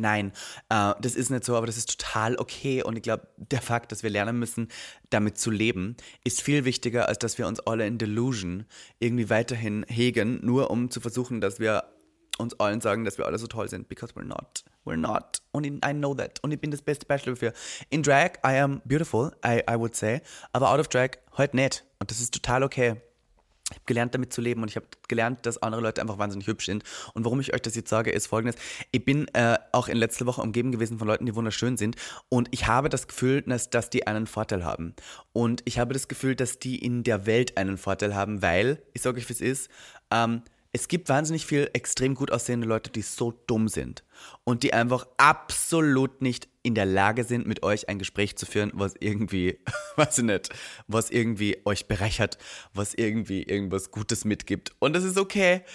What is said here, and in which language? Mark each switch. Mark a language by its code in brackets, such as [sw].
[de] Nein, das ist nicht so, aber das ist total okay. Und ich glaube, der Fakt, dass wir lernen müssen, damit zu leben, ist viel wichtiger, als dass wir uns alle in Delusion irgendwie weiterhin hegen, nur um zu versuchen, dass wir uns allen sagen, dass wir alle so toll sind. [en] Because we're not. We're not. And I know that. [de] Und ich bin das beste Beispiel dafür. [en] In drag, I am beautiful, I would say. [de] Aber [en] out of drag, [de] heute nicht. Und das ist total okay. Ich habe gelernt, damit zu leben und ich habe gelernt, dass andere Leute einfach wahnsinnig hübsch sind. Und warum ich euch das jetzt sage, ist Folgendes. Ich bin auch in letzter Woche umgeben gewesen von Leuten, die wunderschön sind. Und ich habe das Gefühl, dass die einen Vorteil haben. Und ich habe das Gefühl, dass die in der Welt einen Vorteil haben, weil, ich sage euch, wie es ist, es gibt wahnsinnig viel extrem gut aussehende Leute, die so dumm sind und die einfach absolut nicht in der Lage sind, mit euch ein Gespräch zu führen, was irgendwie, weiß ich nicht, was irgendwie euch bereichert, was irgendwie irgendwas Gutes mitgibt. Und das ist okay.